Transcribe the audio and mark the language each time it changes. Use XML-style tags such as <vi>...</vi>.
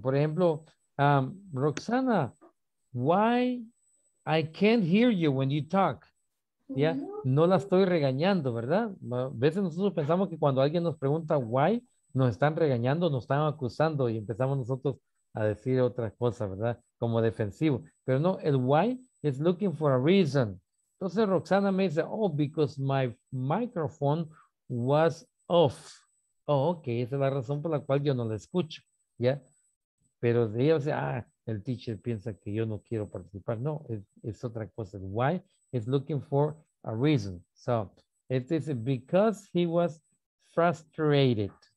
<es>Por ejemplo, Roxana, why...</es> <en>I can't hear you when you talk. Yeah,</en> <es>no la estoy regañando, ¿verdad? A veces nosotros pensamos que cuando alguien nos pregunta why, nos están regañando, nos están acusando y empezamos nosotros a decir otras cosas, ¿verdad? Como defensivo. Pero no, el why</es> <en>is looking for a reason.</en> <es>Entonces Roxana me dice, oh,</es> <en>because my microphone was off.</en> <es>Oh, okay, esa es la razón por la cual yo no la escucho, ¿ya? Pero de ella dice, ah, el teacher piensa que yo no quiero participar. No, es otra cosa.</es> <en>Why? It's looking for a reason. So, it is because he was frustrated.</en>